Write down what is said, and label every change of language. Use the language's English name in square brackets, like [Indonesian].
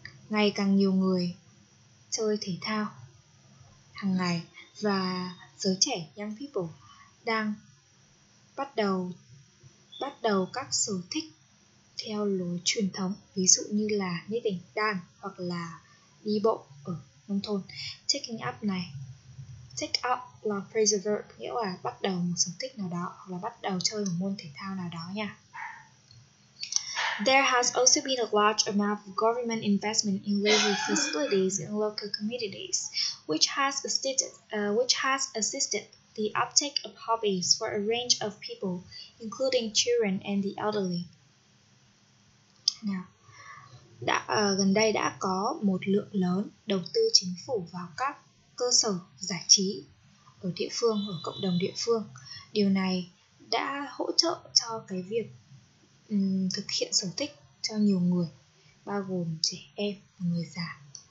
[Vietnamese] Ngày càng nhiều người chơi thể thao hàng ngày và giới trẻ [English] young people [Vietnamese] đang bắt đầu các sở thích theo lối truyền thống, ví dụ như là knitting, đan hoặc là đi bộ ở nông thôn. Take up là phrasal verb, nghĩa là bắt đầu một sở thích nào đó hoặc là bắt đầu chơi một môn thể thao nào đó nha. [English] There has also been a large amount of government investment in leisure facilities in local communities, which has assisted the uptake of hobbies for a range of people, including children and the elderly. [Vietnamese] Now, gần đây đã có một lượng lớn đầu tư chính phủ vào các cơ sở giải trí ở địa phương, ở cộng đồng địa phương. Điều này đã hỗ trợ cho cái việc thực hiện sở thích cho nhiều người, bao gồm trẻ em và người già.